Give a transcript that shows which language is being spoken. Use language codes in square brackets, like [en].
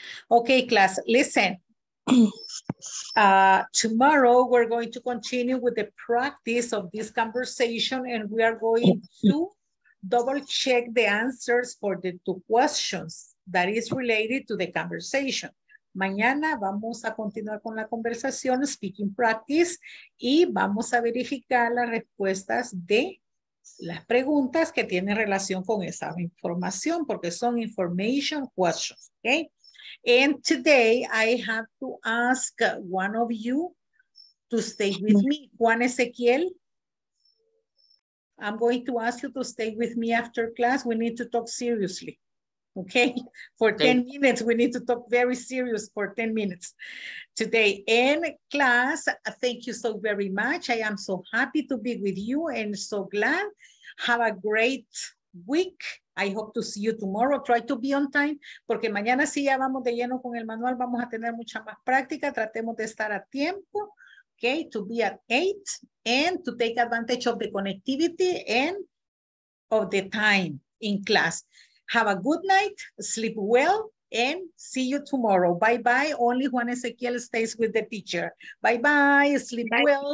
[en] Okay, class, listen. Tomorrow we're going to continue with the practice of this conversation, and we are going to double check the answers for the two questions that is related to the conversation. [es] Mañana vamos a continuar con la conversación, speaking practice, y vamos a verificar las respuestas de las preguntas que tienen relación con esa información, porque son information questions, okay? [en] And today I have to ask one of you to stay with me. Juan Ezequiel, I'm going to ask you to stay with me after class. We need to talk seriously. okay? For 10 minutes, we need to talk very serious for 10 minutes today. In class, thank you so very much. I am so happy to be with you and so glad. Have a great week. I hope to see you tomorrow. Try to be on time, [es] porque mañana sí ya vamos de lleno con el manual. Vamos a tener mucha más práctica. Tratemos de estar a tiempo. [en] Okay, to be at 8 and to take advantage of the connectivity and of the time in class. Have a good night, sleep well, and see you tomorrow. Bye-bye. Only Juan Ezequiel stays with the teacher. Bye-bye. Sleep bye well.